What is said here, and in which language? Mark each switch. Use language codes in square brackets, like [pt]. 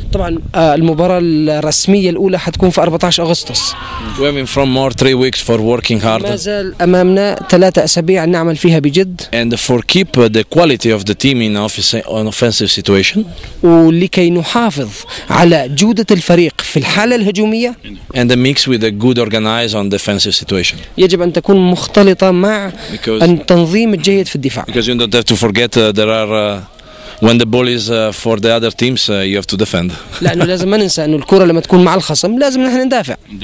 [ar] طبعا المباراة الرسمية الأولى حتكون في 14 أغسطس. [en] We have been from more 3 weeks for working hard. [ar] ما زال أمامنا 3 أسابيع نعمل فيها بجد. [en] And for keep the quality of the team in offensive situation. [ar] ولكي نحافظ على جودة الفريق في الحالة الهجومية. [en] And the mix with a good organized on defensive situation. [ar] يجب أن تكون مختلطة مع التنظيم الجيد في الدفاع. [en] Because you don't have to forget there are when the ball is for the other teams you have to defend. [ar] لأنه لازم ما ننسى أن الكرة لما تكون مع الخصم لازم نحن ندافع.